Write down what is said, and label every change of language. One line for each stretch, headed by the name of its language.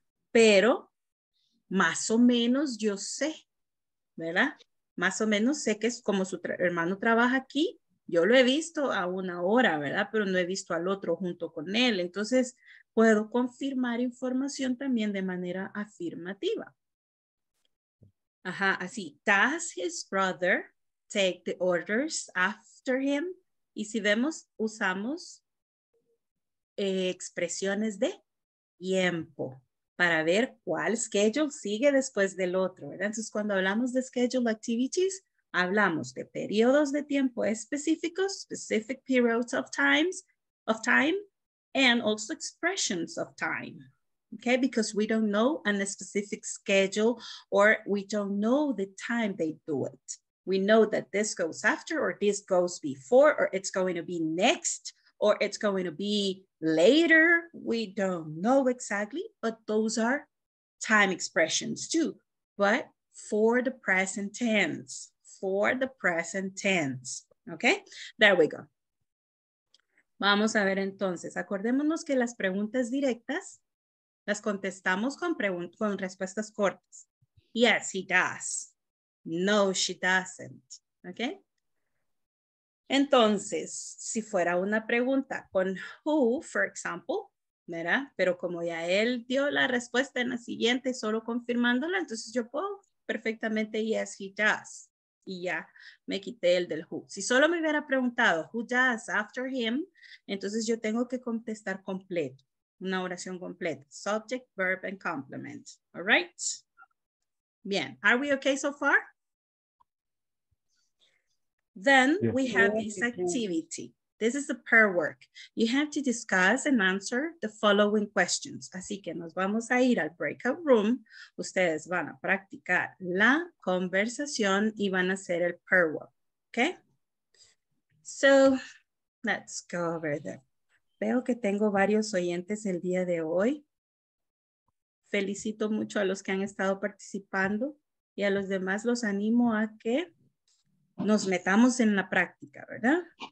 Spanish: Pero más o menos yo sé, ¿verdad? Más o menos sé que es como su hermano trabaja aquí. Yo lo he visto a una hora, ¿verdad? Pero no he visto al otro junto con él. Entonces, puedo confirmar información también de manera afirmativa. Ajá, así.
English: Does his brother take the orders after him?
Spanish: Y si vemos, usamos expresiones de tiempo para ver cuál schedule sigue después del otro, ¿verdad? Entonces, cuando hablamos de schedule activities, hablamos de periodos de tiempo específicos,
English: specific periods of times, of time, and also expressions of time. Okay, because we don't know a specific schedule or we don't know the time they do it. We know that this goes after or this goes before or it's going to be next or it's going to be later. We don't know exactly, but those are time expressions too. But for the present tense, for the present tense. Okay, there we go.
Spanish: Vamos a ver entonces, acordémonos que las preguntas directas las contestamos con respuestas cortas.
English: Yes, he does. No, she doesn't. Okay.
Spanish: Entonces, si fuera una pregunta con who,
English: for example,
Spanish: ¿verdad? Pero como ya él dio la respuesta en la siguiente, solo confirmándola, entonces yo puedo perfectamente,
English: yes, he does.
Spanish: Y ya me quité el del who. Si solo me hubiera preguntado
English: who does after him,
Spanish: entonces yo tengo que contestar completo. Una oración completa.
English: Subject, verb, and complement. All right?
Spanish: Bien.
English: Are we okay so far? Then yes. We have this activity. This is the pair work. You have to discuss and answer the following questions.
Spanish: Así que nos vamos a ir al breakout room. Ustedes van a practicar la conversación y van a hacer el pair work. Okay?
English: So, let's go over there.
Spanish: Veo que tengo varios oyentes el día de hoy. Felicito mucho a los que han estado participando y a los demás los animo a que nos metamos en la práctica, ¿verdad?